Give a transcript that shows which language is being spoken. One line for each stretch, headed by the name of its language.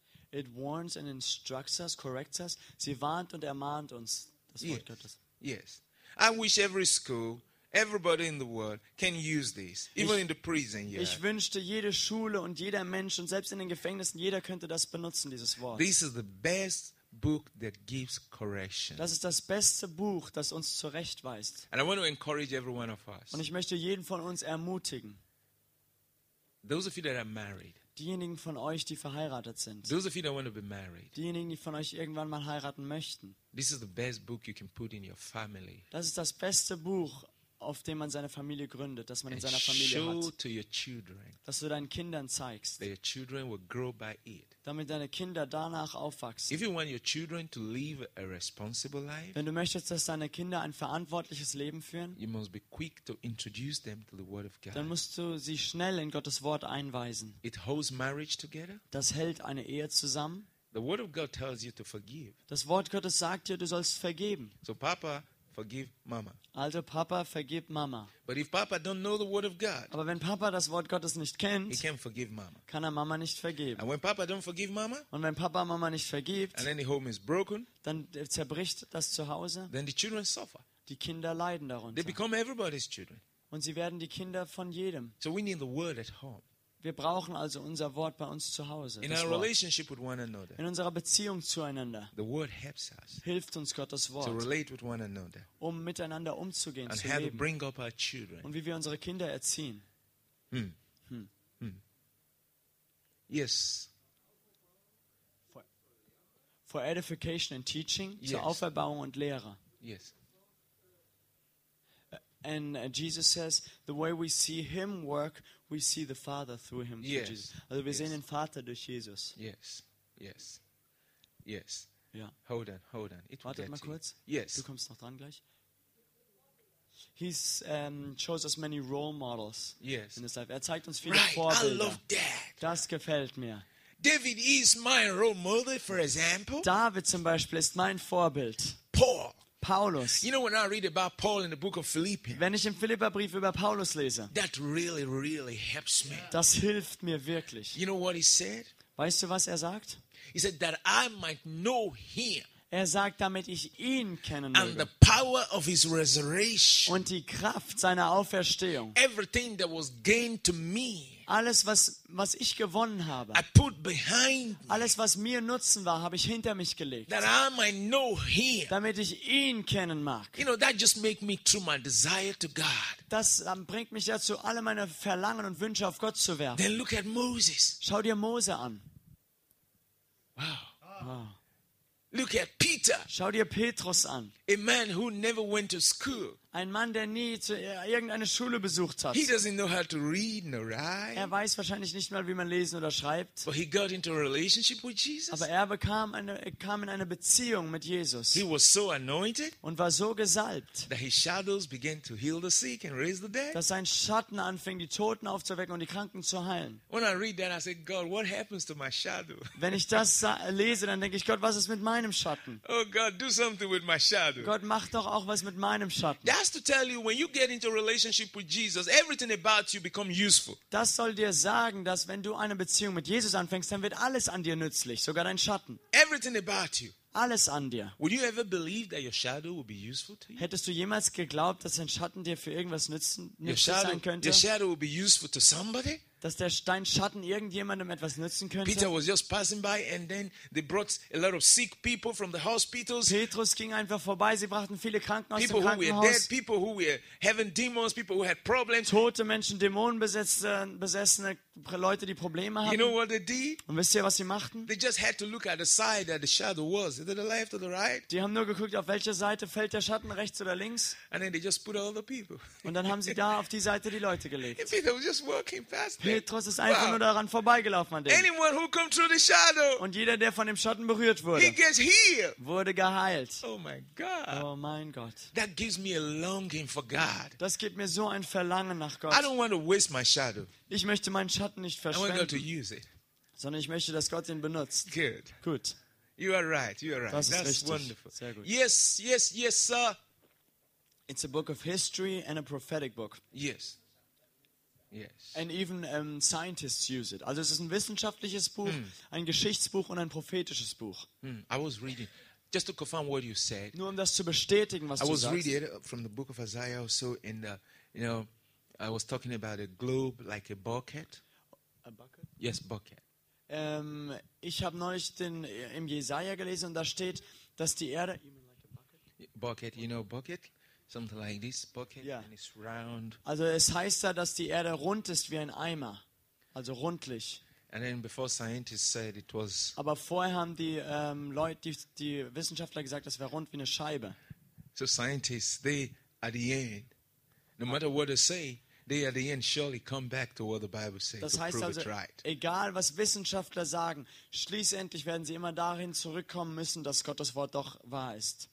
English: It warns and instructs us, corrects us.
German: Sie warnt und ermahnt uns, das Wort
English: yes.
German: Gottes.
English: Yes. I wish every school... Everybody in the world can use this, even in the prison. Yeah.
German: Ich wünschte, jede Schule und jeder Mensch und selbst in den Gefängnissen, jeder könnte das benutzen, dieses Wort.
English: This is the best book that gives correction.
German: Das ist das beste Buch, das uns zurechtweist.
English: And I want to encourage every one of us.
German: Und ich möchte jeden von uns ermutigen.
English: Those of you that are married.
German: Diejenigen von euch, die verheiratet sind.
English: Those of you that want to be married.
German: Diejenigen, die von euch irgendwann mal heiraten möchten.
English: This is the best book you can put in your family.
German: Das ist das beste Buch. auf dem man seine Familie gründet, dass man in seiner Familie hat.
English: To your children,
German: dass du deinen Kindern zeigst,
English: that your children will grow by it.
German: Damit deine Kinder danach aufwachsen.
English: If you want your children to live a responsible life,
German: wenn du möchtest, dass deine Kinder ein verantwortliches Leben führen,
English: you must be quick to introduce them to the Word of God.
German: Dann musst du sie schnell in Gottes Wort einweisen.
English: It holds marriage together.
German: Das hält eine Ehe zusammen.
English: The Word of God tells you to forgive.
German: Das Wort Gottes sagt dir, du sollst vergeben.
English: So Papa, forgive Mama.
German: Also Papa, vergib Mama.
English: But if Papa don't know the Word of God,
German: aber wenn Papa das Wort Gottes nicht kennt,
English: he can't forgive Mama.
German: Kann er Mama nicht vergeben.
English: And when Papa don't forgive Mama,
German: und wenn Papa Mama nicht vergibt,
English: and then the home is broken,
German: dann zerbricht das Zuhause.
English: Then the children suffer.
German: Die Kinder leiden darunter.
English: They become everybody's children.
German: Und sie werden die Kinder von jedem.
English: So we need the Word at home.
German: Wir brauchen also unser Wort bei uns zu Hause.
English: In, our relationship with one another,
German: in unserer Beziehung zueinander,
English: the word helps us,
German: hilft uns Gottes Wort,
English: to relate with one another,
German: um miteinander umzugehen,
English: and
German: zu leben,
English: to bring up our children.
German: Und wie wir unsere Kinder erziehen.
English: Yes. For edification and teaching, yes.
German: Zur Auferbauung und Lehre.
English: Yes. And Jesus says, the way we see him work, we see the Father through him. Yes. Jesus.
German: Also wir sehen den Vater durch Jesus.
English: Yes, yes, yes. Yeah. Hold on, hold on. It
German: Wartet mal kurz.
English: Yes.
German: Du kommst noch dran gleich.
English: He shows us many role models. Yes. In his life.
German: Er zeigt uns viele
English: right.
German: Vorbilder.
English: I love that.
German: Das gefällt mir.
English: David is my role model, for example.
German: David zum Beispiel ist mein Vorbild.
English: Paul.
German: Paulus.
English: You know, when I read about Paul in the book of Philippians,
German: wenn ich im Philipperbrief über Paulus lese,
English: that really, really helps me.
German: Das hilft mir wirklich.
English: You know what he said?
German: Weißt du, was er sagt?
English: He said that I might know him.
German: Er sagt, damit ich ihn kennen möge.
English: And the power of his resurrection.
German: Und die Kraft seiner Auferstehung.
English: Everything that was gained to me.
German: Alles, was ich gewonnen habe,
English: I put behind me,
German: alles, was mir Nutzen war, habe ich hinter mich gelegt,
English: that I might know him,
German: damit ich ihn kennen mag.
English: You know, that just make me true my desire to God.
German: Das bringt mich dazu, alle meine Verlangen und Wünsche auf Gott zu werfen.
English: Then look at Moses.
German: Schau dir Mose an.
English: Wow. Wow. Look at Peter.
German: Schau dir Petrus an.
English: A man who never went to school.
German: Ein Mann, der nie irgendeine Schule besucht hat.
English: He doesn't know how to read nor write.
German: Er weiß wahrscheinlich nicht mal, wie man lesen oder schreibt.
English: But he got into a relationship with Jesus.
German: Aber er kam in eine Beziehung mit Jesus.
English: He was so anointed.
German: Und war so gesalbt.
English: That his shadows began to heal the sick and raise the dead.
German: Dass sein Schatten anfing, die Toten aufzuwecken und die Kranken zu heilen.
English: When I read that, I say, God, what happens to my shadow?
German: Wenn ich das lese, dann denke ich, Gott, was ist mit meinem Schatten?
English: Oh God, do something with my shadow.
German: Gott, mach doch auch was mit meinem Schatten.
English: Has to tell you, when you get into a relationship with Jesus, everything about you become useful.
German: Das soll dir sagen, dass wenn du eine Beziehung mit Jesus anfängst, dann wird alles an dir nützlich, sogar dein Schatten.
English: Everything about you.
German: Alles an dir.
English: Would you ever believe that your shadow would be useful to you?
German: Hättest du jemals geglaubt, dass dein Schatten dir für irgendwas nützlich sein könnte?
English: Your shadow would be useful to somebody?
German: Dass der Stein Schatten irgendjemandem etwas nützen könnte.
English: Peter was just passing by and then they brought a lot of sick people from the hospitals.
German: Petrus ging einfach vorbei, sie brachten viele Kranken aus dem Krankenhaus.
English: People who were dead, people who were having demons, people who had problems.
German: Tote Menschen, Dämonenbesessene, Leute, die Probleme hatten.
English: You know what they did?
German: Und wisst ihr, was sie machten?
English: They just had to look at the side that the shadow was, either the left or the right.
German: Die haben nur geguckt, auf welcher Seite fällt der Schatten, rechts oder links.
English: And then they just put all the people.
German: Und dann haben sie da auf die Seite die Leute gelegt.
English: Peter was just walking past.
German: Petrus ist einfach nur daran vorbeigelaufen, an dem.
English: Anyone who come through the shadow,
German: und jeder, der von dem Schatten berührt wurde,
English: he gets healed.
German: Wurde geheilt.
English: Oh, my God.
German: Oh mein Gott.
English: That gives me a longing for God.
German: Das gibt mir so ein Verlangen nach Gott.
English: I don't want to waste my shadow.
German: Ich möchte meinen Schatten nicht verschwenden.
English: I want God to use it.
German: Sondern ich möchte, dass Gott ihn benutzt.
English: Good.
German: Gut.
English: You are right, you are right.
German: Das ist
English: That's
German: richtig.
English: Wonderful.
German: Sehr gut.
English: Yes, yes, yes, sir. It's a book of history and a prophetic book. Yes. Yes. And even scientists use it.
German: Also es ist ein wissenschaftliches Buch, ein Geschichtsbuch und ein prophetisches Buch.
English: I was reading just to confirm what you said.
German: Nur um das zu bestätigen, was
English: I
German: du sagst.
English: I was reading it from the book of Isaiah also in the you know I was talking about a globe like a bucket. A bucket? Yes, bucket.
German: Ich habe neulich im Jesaja gelesen und da steht, dass die Erde
English: bucket, you know bucket? Something like this bucket, yeah. And it's round.
German: Also es heißt da, dass die Erde rund ist wie ein Eimer, also rundlich.
English: And then before scientists said it was.
German: Aber vorher haben die Leute, die Wissenschaftler gesagt, das wäre rund wie eine Scheibe.
English: So scientists, they at the end, No matter what they say, they at the end surely come back to what the Bible says.
German: Das heißt also, egal was Wissenschaftler sagen, schließlich werden sie immer dahin zurückkommen müssen, dass Gottes Wort doch wahr ist.